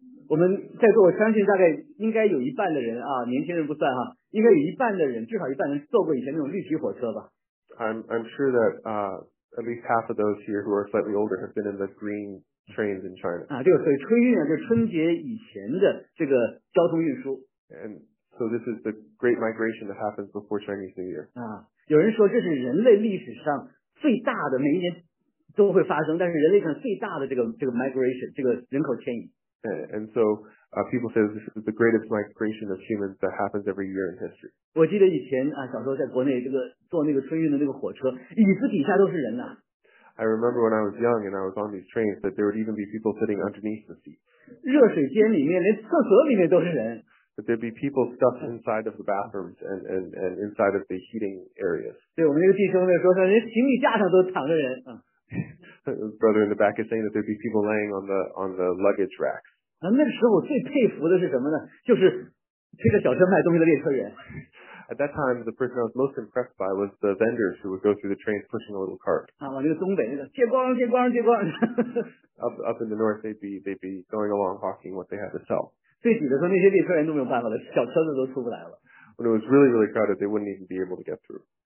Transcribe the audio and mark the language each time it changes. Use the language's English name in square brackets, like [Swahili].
[Chinese] 我们在座我相信大概应该有一半的人啊，年轻人不算哈，应该有一半的人，至少一半人坐过以前那种绿皮火车吧。 [English] I'm sure that at least half of those here who are slightly older have been in the green trains in China. [Chinese] 啊, 这个, 所以, 春运啊, 就是, 春节以前的这个交通运输。 [English] And so this is the great migration that happens before Chinese New Year. [Chinese] 啊, 有人说这是人类历史上最大的, 每一年都会发生, 但是人类上最大的这个 migration, 这个人口迁移。 [English] And so people say this is the greatest migration of humans that happens every year in history. [Chinese] 我记得以前, 啊, 小时候在国内, 这个, 坐那个春运的那个火车, 椅子底下都是人啊。 [English] I remember when I was young and I was on these trains that there would even be people sitting underneath the seat. [Chinese] 热水间里面连厕所里面都是人。 [English] But there'd be people stuffed inside of the bathrooms and inside of the heating areas. [Chinese] 对，我们那个弟兄那时候说，连行李架上都躺着人。 [English] Brother in the back is saying that there'd be people laying on the luggage racks. [Chinese] 那时候我最佩服的是什么呢？就是这个小车卖东西的列车员。 [English] At that time, the person I was most impressed by was the vendors who would go through the trains pushing a little cart. [Chinese] 啊，往那个东北那个借光借光借光。 [English] Up in the north, they'd be going along hawking what they had to sell. [Chinese] 最挤的时候，那些列车员都没有办法了，小车子都出不来了。 [English] When it was really really crowded, they wouldn't even be able to get through.